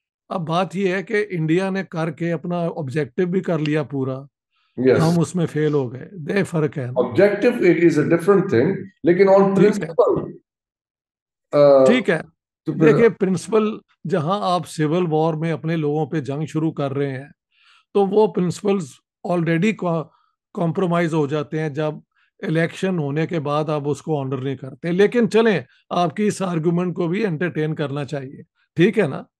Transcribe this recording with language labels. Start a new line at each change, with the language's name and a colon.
Urdu: اب بات یہ ہے کہ انڈیا نے کر کے اپنا آبجیکٹو بھی کر لیا پورا، ہم اس میں فیل ہو گئے، دے فرق ہے۔
English: objective is a different thing, لیکن on principle
Urdu: ٹھیک ہے۔ تو دیکھیے پرنسپل، جہاں آپ سول وار میں اپنے لوگوں پہ جنگ شروع کر رہے ہیں تو وہ پرنسپلز آلریڈی کمپرومائز ہو جاتے ہیں جب الیکشن ہونے کے بعد آپ اس کو آنر نہیں کرتے۔ لیکن چلیں آپ کی اس آرگومنٹ کو بھی انٹرٹین کرنا چاہیے، ٹھیک ہے نا؟